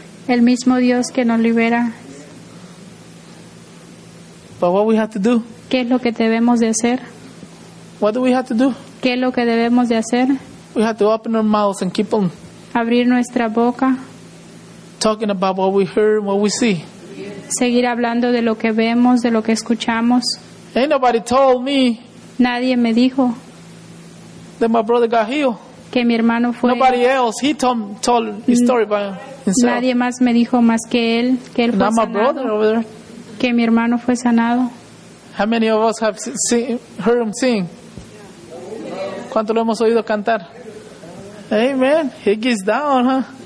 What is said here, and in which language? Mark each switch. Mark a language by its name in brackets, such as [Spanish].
[Spanish] El mismo Dios que nos libera. [English] But what we have to do? [Spanish] ¿Qué es lo que debemos de hacer? [English] What do we have to do? [Spanish] ¿Qué es lo que debemos de hacer? [English] We have to open our mouths and keep on [Spanish] abrir nuestra boca, [English] talking about what we heard and what we see. [Spanish] Seguir hablando de lo que vemos, de lo que escuchamos. [English] Ain't nobody told me. [Spanish] Nadie me dijo. [English] That my brother got healed. [Spanish] Que mi hermano fue. [English] Nobody else. He told his story by himself. [Spanish] Nadie más me dijo más que él, que él [English] Not [Spanish] fue sanado. [English] My brother over there. [Spanish] Que mi hermano fue sanado. [English] How many of us have heard him sing? [Spanish] ¿Cuánto lo hemos oído cantar? [English] Amen. He gets down, huh?